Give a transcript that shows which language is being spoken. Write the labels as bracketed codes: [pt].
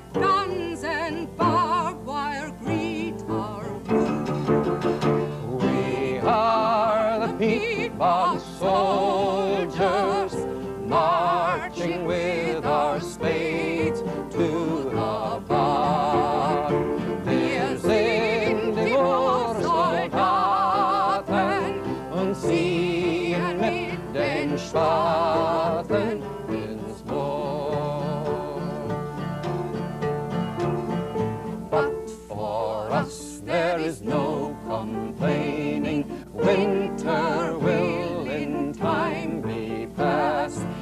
[en] Guns and barbed wire greet our wound. We are the people. Bog soldiers marching with our spades to the bog. [de] Wir sind die Moorsoldaten und ziehen mit den Spaten ins Moor. [en] But for us there is no complaining. Winter will in time be past.